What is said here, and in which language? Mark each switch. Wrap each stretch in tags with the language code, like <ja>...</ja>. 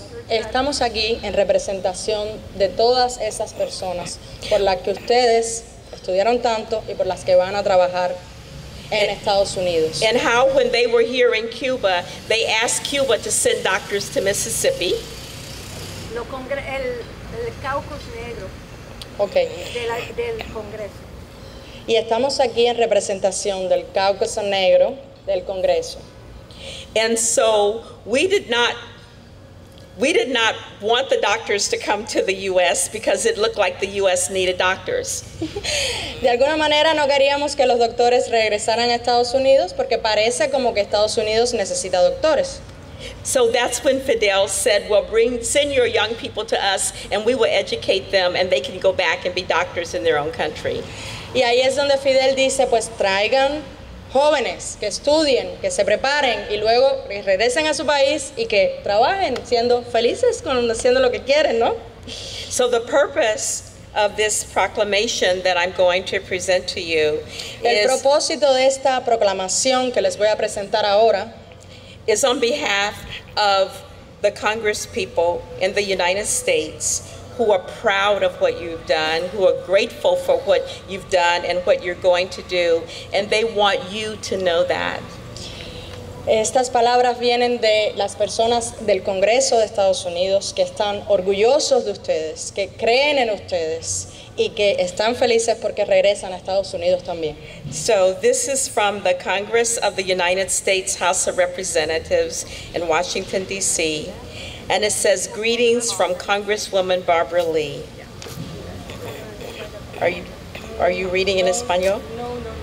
<es>Estamos aquí en representación de todas esas personas por las que ustedes estudiaron tanto y por las que van a trabajar en Estados Unidos.</es> <en>And how when they were here in Cuba, they asked Cuba to send doctors to Mississippi.</en> <es>El caucus negro del Congreso. Y estamos aquí en representación del caucus negro del Congreso.</es> <en>And so we did not want the doctors to come to the U.S. because it looked like the U.S. needed doctors.</en> <es>De alguna manera no queríamos que los doctores regresaran a Estados Unidos porque parece como que Estados Unidos necesita doctores.</es> <en>So that's when Fidel said, well, send your young people to us and we will educate them and they can go back and be doctors in their own country.</en> <es>Y ahí es donde Fidel dice, pues traigan jóvenes que estudien, que se preparen y luego regresen a su país y que trabajen siendo felices con haciendo lo que quieren, ¿no?</es> <en>So the purpose of this proclamation that I'm going to present to you is...</en> <es>El propósito de esta proclamación que les voy a presentar ahora</es> <en>is on behalf of the Congress people in the United States who are proud of what you've done, who are grateful for what you've done and what you're going to do, and they want you to know that.</en> <es>Estas palabras vienen de las personas del Congreso de Estados Unidos que están orgullosos de ustedes, que creen en ustedes, y que están felices porque regresan a Estados Unidos también.</es> <en>So this is from the Congress of the United States House of Representatives in Washington, D.C. And it says, greetings from Congresswoman Barbara Lee. Are you reading in Espanol? No.</en>